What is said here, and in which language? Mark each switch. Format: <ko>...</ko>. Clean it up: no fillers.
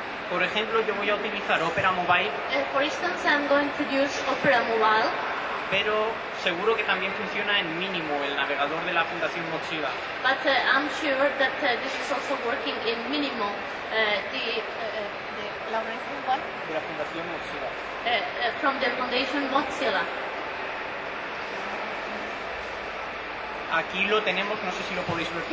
<es>Por ejemplo, yo voy a utilizar Opera Mobile.</es> <en>For instance, I'm going to use Opera Mobile.</en> <es>Pero seguro que también funciona en Minimo, el navegador de la Fundación Mochiva.</es> <en>But I'm sure that this is also working in Minimo,</en> <es>de la Fundación Mochiva.</es> <en>From the Fundación Mochiva.</en> <es>Aquí lo tenemos, no sé si lo podéis ver todos.</es>